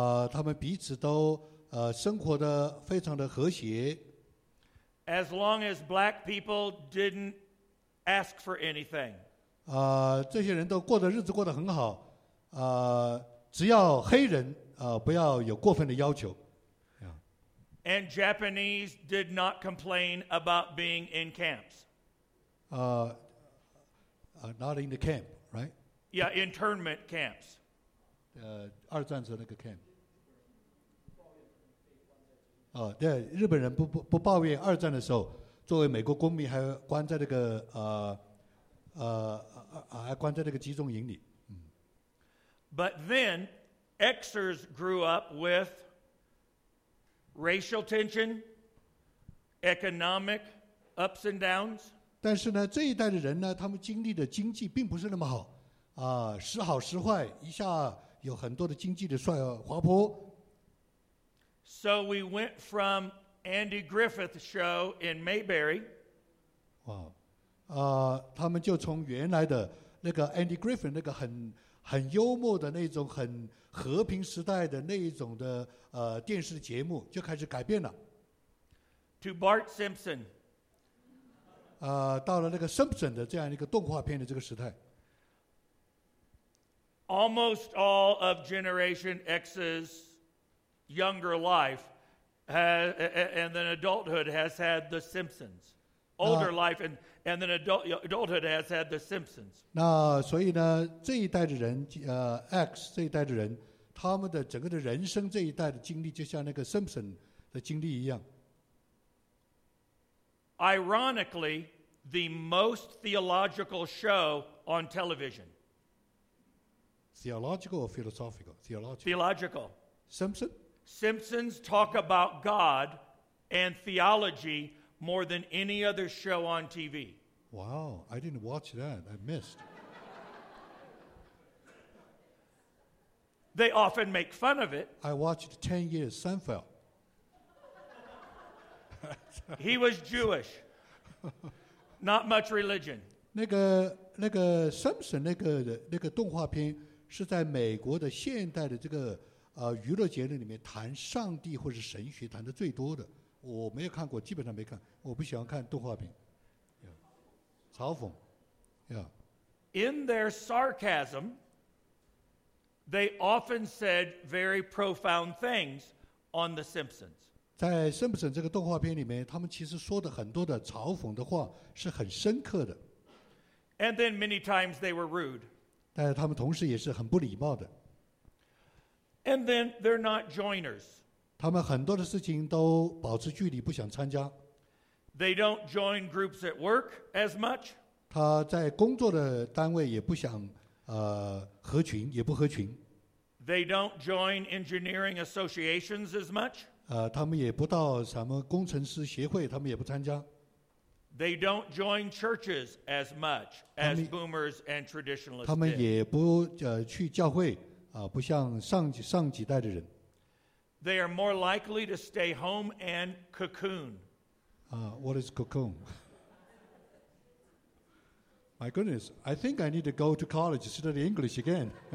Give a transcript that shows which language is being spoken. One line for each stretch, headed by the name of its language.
Chinese: 他们彼此都生活的非常的和谐。
English: As long as black people didn't ask for anything.
Chinese: 这些人都过的日子过得很好。只要黑人不要有过分的要求。
English: And Japanese did not complain about being in camps. Not in the camp, right? Yeah, internment camps.
Chinese: 二战时那个 camp. 对，日本人不抱怨二战的时候，作为美国公民还关在那个还关在那个集中营里。
English: But then, Xers grew up with racial tension, economic ups and downs.
Chinese: 但是呢，这一代的人呢，他们经历的经济并不是那么好，时好时坏，一下有很多的经济的滑坡。
English: So we went from Andy Griffith's show in Mayberry.
Chinese: 他们就从原来的那个 Andy Griffith 那个很幽默的那种很和平时代的那一种的电视节目就开始改变了。
English: To Bart Simpson.
Chinese: 到了那个 Simpson 的这样一个动画片的这个时代。
English: Almost all of Generation X's younger life has, and then adulthood has had the Simpsons. Older life and then adulthood has had the Simpsons.
Chinese: 那所以呢，这一代的人，X 这一代的人，他们的整个的人生这一代的经历，就像那个 Simpson 的经历一样。
English: Ironically, the most theological show on television. Theological or philosophical? Theological. Theological. Simpson? Simpsons talk about God and theology more than any other show on TV. Wow, I didn't watch that. I missed. They often make fun of it. I watched 10 years, Seinfeld. He was Jewish. Not much religion.
Chinese: 那个 Simpson 那个动画片是在美国的现代的这个娱乐节目里面谈上帝或是神学谈的最多的。我没有看过，基本上没看，我不喜欢看动画片。
English: Yeah.
Chinese: 嘲讽。
English: Yeah. In their sarcasm, they often said very profound things on The Simpsons.
Chinese: 在 Simpson 这个动画片里面，他们其实说的很多的嘲讽的话是很深刻的。
English: And then many times they were rude.
Chinese: 但他们同时也是很不礼貌的。
English: And then they're not joiners.
Chinese: 他们很多的事情都保持距离，不想参加。
English: They don't join groups at work as much.
Chinese: 他在工作的单位也不想合群，也不合群。
English: They don't join engineering associations as much.
Chinese: 他们也不到什么工程师协会，他们也不参加。
English: They don't join churches as much as boomers and traditionalists.
Chinese: 他们也不去教会不像上几代的人。
English: They are more likely to stay home and cocoon. What is cocoon? My goodness, I think I need to go to college to study English again.